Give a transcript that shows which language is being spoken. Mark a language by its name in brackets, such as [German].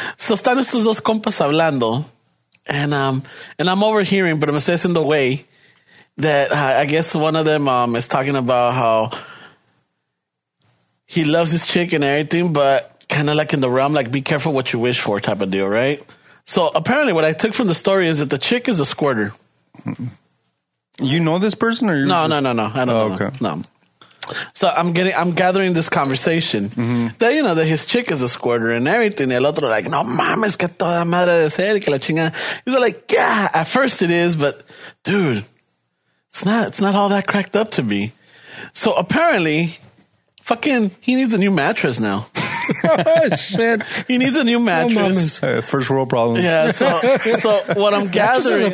[Spanish] So están estos dos compas hablando. [English] And I'm overhearing, but I'm assessing the way that I guess one of them is talking about how he loves his chick and everything, but kind of like in the realm, like be careful what you wish for type of deal, right? So apparently what I took from the story is that the chick is a squirter. You know this person or you? No. I don't know. Okay. No. So I'm gathering this conversation that, you know, that his chick is a squirter and everything. [Spanish] El otro like, no mames, que toda madre de ser, que la chingada. [English] He's like, yeah, at first it is, but dude, it's not all that cracked up to be. So apparently, fucking, he needs a new mattress now. shit. He needs a new mattress. Hey, first world problems. Yeah. So what I'm gathering.